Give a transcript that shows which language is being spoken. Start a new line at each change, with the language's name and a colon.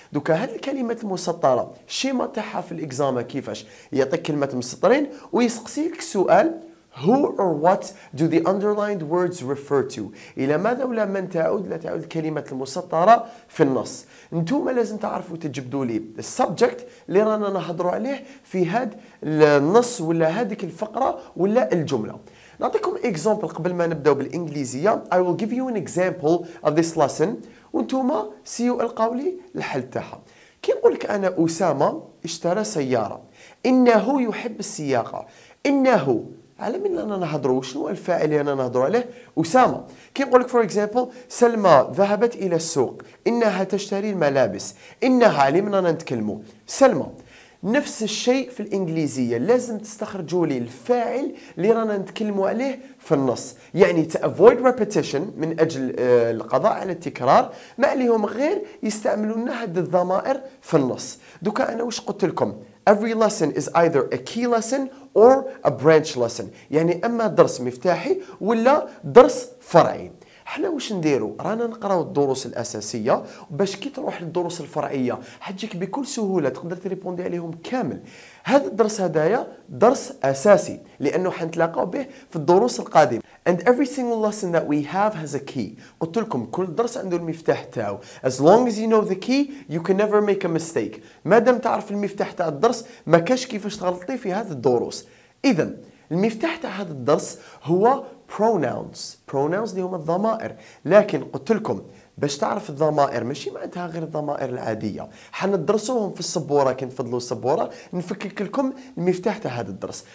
Arabic: دوكا هذه الكلمات المسطرة شيما تاعها في الإكزام كيفاش يعطيك كلمة مسطرين ويسقسيك سؤال
English: who or what do the underlined words refer to،
Arabic: الى ماذا ولا من تعود لا تعود الكلمه المسطره في النص. انتم لازم تعرفوا تجبدوا لي السبجكت اللي رانا نهضروا عليه في هذا النص ولا هذيك الفقره ولا الجمله. نعطيكم اكزامبل قبل ما نبداو بالانجليزيه.
English: I will give you an example of this lesson
Arabic: وانتم سيو القولي الحل تاعها. كي نقول لك انا اسامه اشترى سياره، انه يحب السياقه. انه على من أنا نهضرو؟ شنو الفاعل اللي أنا نهضرو عليه؟ أسامة. كي نقول لك
English: for example
Arabic: سلمى ذهبت إلى السوق، إنها تشتري الملابس. إنها على من أنا نتكلمو؟ سلمى. نفس الشيء في الإنجليزية لازم تستخرجوا لي الفاعل اللي رانا نتكلموا عليه في النص، يعني
English: to avoid repetition
Arabic: من أجل القضاء على التكرار ما عليهم غير يستعملون هاد الضمائر في النص. دوكا أنا وش قلت لكم؟
English: Every lesson is either a key lesson or a branch lesson،
Arabic: يعني أما درس مفتاحي ولا درس فرعي. حنا واش نديرو؟ رانا نقراو الدروس الاساسيه باش كي تروح للدروس الفرعيه حتجيك بكل سهوله تقدر تريبوندي عليهم كامل. هذا الدرس هدايا درس اساسي لانه حنتلاقاو به في الدروس القادمه.
English: And every single lesson that we have has a key.
Arabic: قلت لكم كل درس عنده المفتاح تاعو.
English: As long as you know the key, you can never make a mistake.
Arabic: مادام تعرف المفتاح تاع الدرس ما كاش كيفاش تغلطي في هذا الدروس. اذا المفتاح تاع هذا الدرس هو pronouns. pronouns اللي هما الضمائر. لكن قلت لكم باش تعرف الضمائر ماشي معناتها غير الضمائر العاديه. حندرسوهم في السبوره، كي نفضلوا السبوره نفكك لكم المفتاح تاع هذا الدرس.